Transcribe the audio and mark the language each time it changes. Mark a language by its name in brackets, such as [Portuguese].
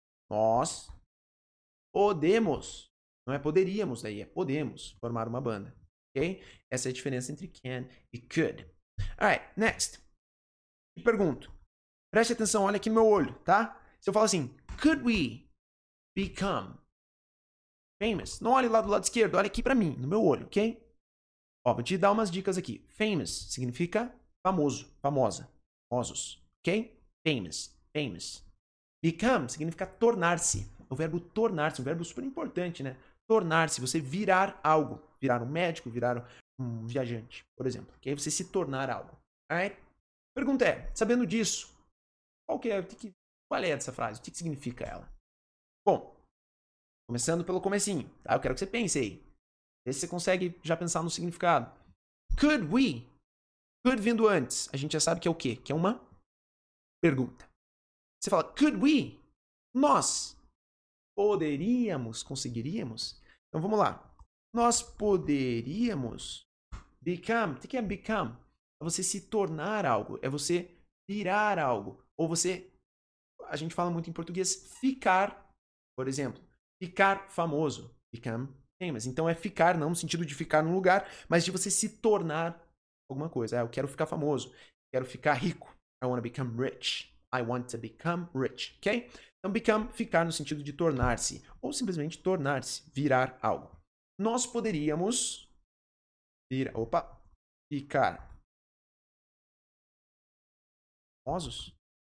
[Portuguese] Nós podemos. Não é poderíamos daí, é podemos formar uma banda. Ok? Essa é a diferença entre can e could. Alright, next. Me pergunto. Preste atenção, olha aqui no meu olho, tá? Se eu falo assim, [English] could we become famous. [Portuguese] Não olhe lá do lado esquerdo, olha aqui pra mim, no meu olho, ok? Ó, vou te dar umas dicas aqui. Famous significa famoso, famosa, famosos, ok? Famous, famous. Become significa tornar-se. O verbo tornar-se, um verbo super importante, né? Tornar-se, você virar algo. Virar um médico, virar um viajante, por exemplo. Ok? Você se tornar algo, alright? Pergunta é, sabendo disso, qual é essa frase? O que significa ela? Bom... Começando pelo comecinho, tá? Eu quero que você pense aí. Vê se você consegue já pensar no significado. [English] Could we? [Portuguese] Could vindo antes. A gente já sabe que é o quê? Que é uma pergunta. Você fala, [English] could we? [Portuguese] Nós poderíamos, conseguiríamos? Então vamos lá. Nós poderíamos become. O que é become? É você se tornar algo. É você virar algo. Ou você, a gente fala muito em português, ficar, por exemplo. Ficar famoso, [English] become famous. [Portuguese] Então é ficar, não no sentido de ficar num lugar, mas de você se tornar alguma coisa. Eu quero ficar famoso, quero ficar rico. [English] I want to become rich. I want to become rich, [Portuguese] ok? Então become, ficar no sentido de tornar-se. Ou simplesmente tornar-se, virar algo. Nós poderíamos ficar famosos?